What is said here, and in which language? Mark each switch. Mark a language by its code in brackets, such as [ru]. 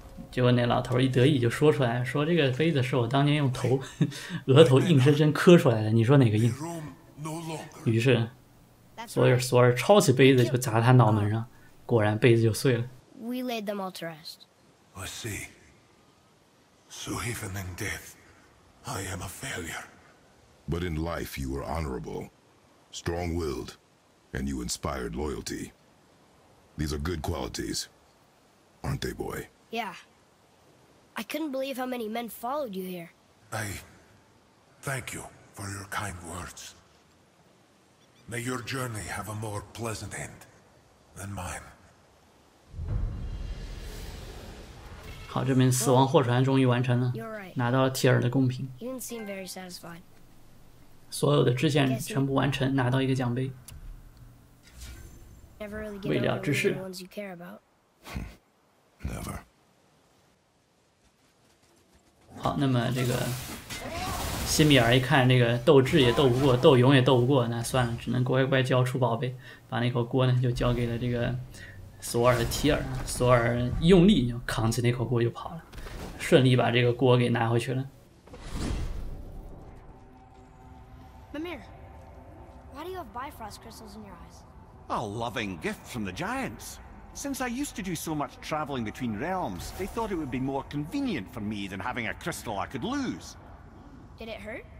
[zh] 结果那老头一得意就说出来，说这个杯子是我当年用头额头硬生生磕出来的，你说哪个硬？于是索尔抄起杯子就砸他脑门上，果然杯子就碎了。 [en] We laid them all to rest. I see. So even in death, I am a failure. But in life, you were honorable.Strong-willed, and you inspired loyalty. These are good qualities, aren't they, boy? Yeah. I couldn't believe how many men followed you here. I thank you for your kind words. May your journey have a more pleasant end than mine. [zh] 好，这名死亡货船终于完成了，拿到了提尔的贡品。 [en] You didn't seem very satisfied. [zh] 所有的支线全部完成，拿到一个奖杯。 [en] Never really get over the ones you care about. Never. [zh] 好，那么这个西米尔一看这个斗智也斗不过，斗勇也斗不过，那算了，只能乖乖交出宝贝，把那口锅呢就交给了这个索尔的提尔，索尔用力就扛起那口锅就跑了，顺利把这个锅给拿回去了。 [en] Mimir, why do you have Bifrost crystals in your eyes? A loving gift from the giants. Since I used to do so much traveling between realms, they thought it would be more convenient for me than having a crystal I could lose. Did it hurt?